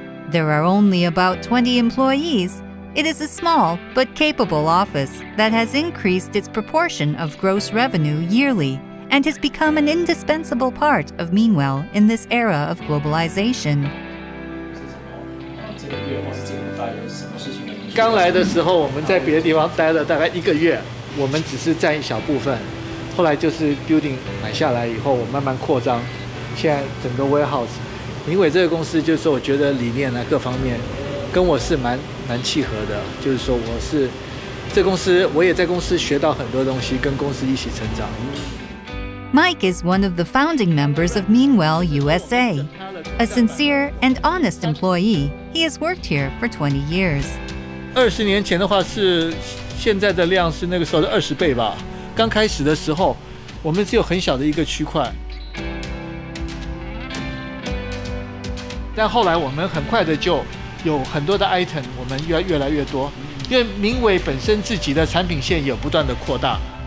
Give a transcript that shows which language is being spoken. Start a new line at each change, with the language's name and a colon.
English: There are only about 20 employees. It is a small but capable office that has increased its proportion of gross revenue yearly and has become an indispensable part of Meanwell in this era of globalization.
Chinese: 刚来的时候我们在别的地方待了大概一个月，我们只是占一小部分。后来就是 building 买下来以后，我慢慢扩张，现在整个 warehouse， 明伟这个公司就是我觉得理念啊各方面，跟我是蛮契合的，就是说我是这公司，我也在公司学到很多东西，跟公司一起成长。
English: Mike is one of the founding members of Meanwell USA, a sincere and honest employee. He has worked here for 20 years.
Chinese: 20年前的话是现在的量是那个时候的20倍吧。刚开始的时候我们只有很小的一个区块。但后来我们很快的就有很多的 item， 我们越来越多，因为明伟本身自己的产品线也不断的扩大。